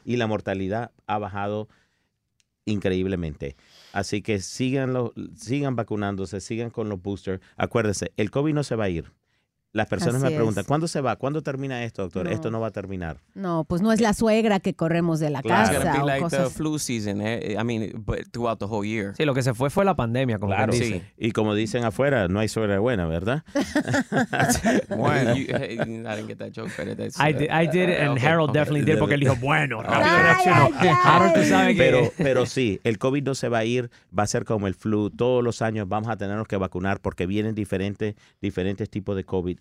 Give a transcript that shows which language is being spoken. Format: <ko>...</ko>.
<es>Y la mortalidad ha bajado increíblemente. Así que sigan vacunándose, sigan con los boosters. Acuérdense, el COVID no se va a ir. Las personas así me preguntan, ¿cuándo se va? ¿Cuándo termina esto, doctor? No. Esto no va a terminar. No, pues no es la suegra que corremos de la claro. casa.</es> <en>It's gonna be like the flu season, I mean, throughout the whole year.</en> <es>Sí, lo que se fue la pandemia, como claro, dice. Sí. Y como dicen afuera, no hay suegra buena, ¿verdad?</es> <en>Bueno, I didn't get that joke, but I did, and okay. Harold definitely did,</en> <es>porque él dijo, bueno, rápido reaccionó. Harold, tú sabes que... Pero sí, el COVID no se va a ir, va a ser como el flu. Todos los años vamos a tenernos que vacunar porque vienen diferentes tipos de COVID.</es>